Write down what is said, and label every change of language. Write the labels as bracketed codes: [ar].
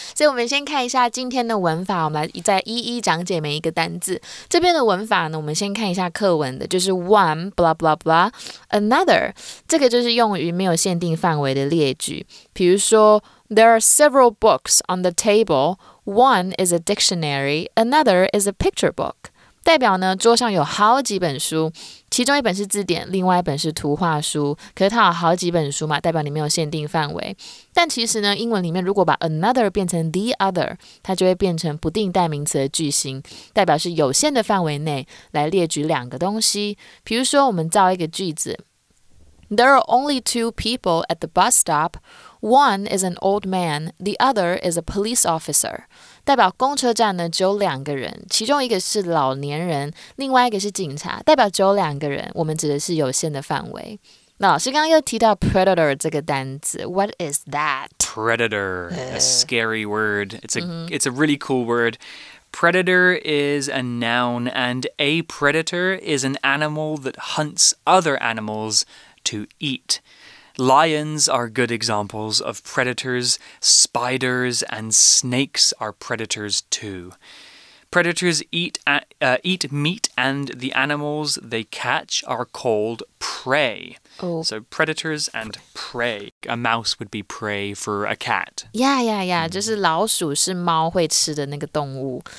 [zh] 所以我们先看一下今天的文法，我们来再一一讲解每一个单字。这边的文法呢，我们先看一下课文的，就是 one, blah, blah, blah, another. 这个就是用于没有限定范围的列举。 [en] 比如说 there are several books on the table,One is a dictionary, another is a picture book. [zh] 代表呢，桌上有好几本书，其中一本是字典，另外一本是图画书。可是它有好几本书嘛，代表你没有限定范围。但其实呢，英文里面如果把 another 变成 the other, 它就会变成不定代名词的句型，代表是有限的范围内来列举两个东西。比如说我们造一个句子。 [en] There are only two people at the bus stop. One is an old man, the other is a police officer. [zh] 代表公车站呢只有两个人，其中一个是老年人，另外一个是警察，代表只有两个人，我们指的是有限的范围。那老师刚刚又提到 predator 这个单词， [en] what is that? Predator, a scary word. It's a really cool word. Predator is a noun, and a predator is an animal that hunts other animals to eat. Lions are good examples of predators. Spiders and snakes are predators too. Predators eat meat, and the animals they catch are called prey. Oh. So predators and prey. A mouse would be prey for a cat. Yeah. [zh] 就是老鼠是猫会吃的那个动物。